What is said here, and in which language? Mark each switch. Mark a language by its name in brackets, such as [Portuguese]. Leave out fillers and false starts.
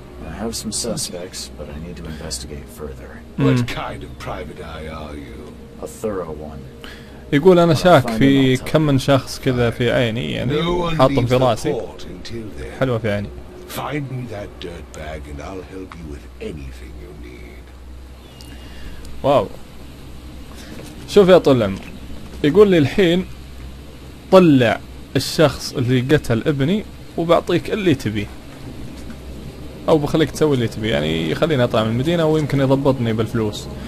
[English] I have some suspects, but I need to investigate further. What kind of private eye are you? A thorough one. [Arabic] يقول أنا شاك في كم من شخص كذا في عيني، يعني حاطهم في راسي. حلوة في عيني. [English] Find me that dirt bag and I'll help you with anything you need. [Arabic] واو. شوف يا طول العمر. يقول لي الحين طلع الشخص اللي قتل ابني وبعطيك اللي تبيه. او بخليك تسوي اللي تبي، يعني يخليني اطلع من المدينة ويمكن يضبطني بالفلوس.